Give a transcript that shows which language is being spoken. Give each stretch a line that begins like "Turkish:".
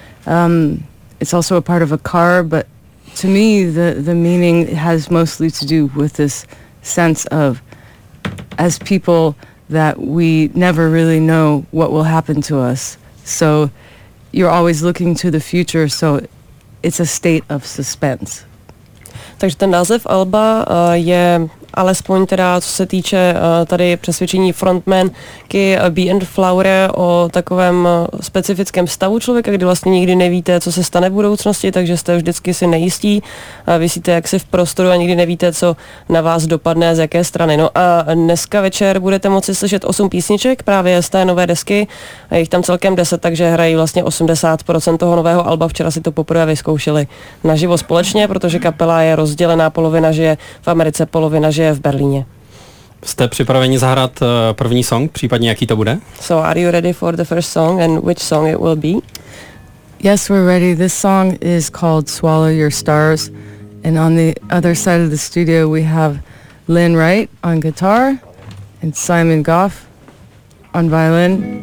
English: It's also a part of a car, but to me, the meaning has mostly to do with this sense of, as people, that we never really know what will happen to us. So you're always looking to the future, so it's a state of suspense.
Czech: Takže ten název alba je alespoň teda, co se týče tady přesvědčení frontmanky Be and Flower o takovém specifickém stavu člověka, kdy vlastně nikdy nevíte, co se stane v budoucnosti, takže jste vždycky si nejistí, visíte jaksi v prostoru a nikdy nevíte, co na vás dopadne a z jaké strany. No a dneska večer budete moci slyšet 8 písniček právě z té nové desky, a je jich tam celkem 10, takže hrají vlastně 80% toho nového alba. Včera si to poprvé vyzkoušeli naživo společně, protože kapela je rozdělená, polovina žije v Americe, polovina žije v Berlíně. Jste připraveni zahrát první song, případně jaký to bude?
English: So are you ready for the first song and which song it will be? Yes, we're ready. This song is called Swallow Your Stars. And on the other side of the studio we have Lynn Wright on guitar and Simon Goff on violin.